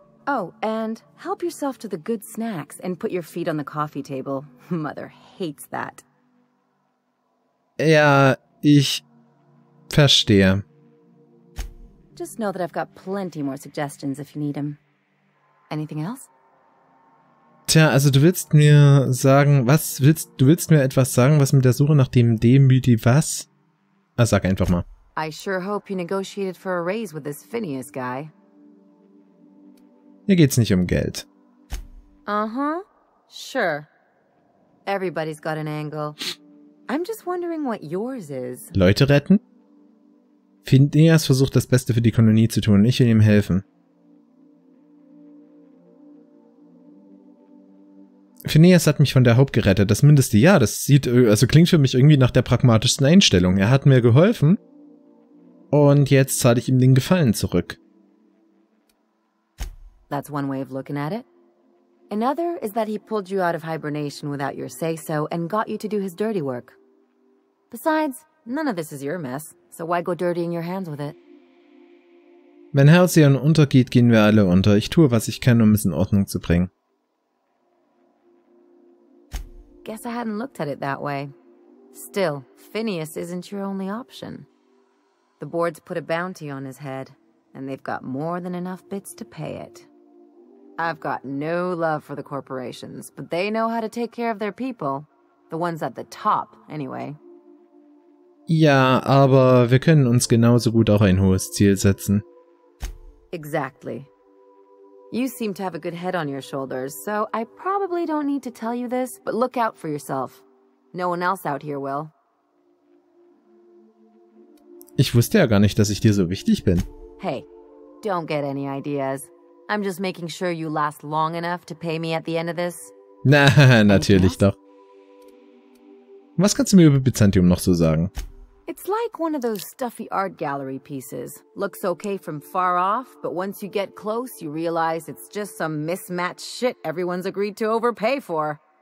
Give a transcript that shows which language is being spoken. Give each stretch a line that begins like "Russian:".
English: Oh, and help yourself to the good snacks and put your feet on the coffee table. Mother hates that.
German: Ja, ich verstehe.
English: Just know that I've got plenty more suggestions if you need them. Anything else?
German: Tja, also du willst mir sagen, was willst du willst mir etwas sagen, was mit der Suche nach dem Demüti was? Ah, sag einfach mal.
English: I sure hope you negotiated for a raise with this Phineas guy.
German: Hier geht's nicht um Geld.
English: Uh-huh. Sure. Everybody's got an angle. I'm just wondering what yours is.
German: Leute retten? Phineas versucht, das Beste für die Kolonie zu tun. Ich will ihm helfen. Phineas hat mich von der Haupt gerettet. Das Mindeste, ja, das sieht, also klingt für mich irgendwie nach der pragmatischsten Einstellung. Er hat mir geholfen. Und jetzt zahle ich ihm den Gefallen zurück.
English: That's one way of looking at it. Another is that he pulled you out of hibernation without your say-so and got you to do his dirty work. Besides, none of this is your mess. So why go dirtying your hands with it?
German: Wenn Halcyon untergeht, gehen wir alle unter. Ich tue, was ich kann, um es in Ordnung zu bringen.
English: Guess I hadn't looked at it that way. Still, Phineas isn't your only option. The board's put a bounty on his head, and they've got more than enough bits to pay it. I've got no love for the corporations, but they know how to take care of their people. The ones at the top, anyway.
German: Ja, aber wir können uns genauso gut auch ein hohes Ziel setzen.
English: Exactly. You seem to have a good head on your shoulders, so I probably don't need to tell you this, but look out for yourself. No one else out here will.
German: Ich wusste ja gar nicht, dass ich dir so wichtig bin.
English: Hey, don't get any ideas. I'm just making sure you last long enough to pay me at the end of this.
German: Na, natürlich doch. Was kannst du mir über Byzantium noch so sagen?
English: It's like one of those stuffy art gallery pieces. Looks okay from far off, but once you get close, you realize it's just some mismatched shit everyone's agreed to overpay for.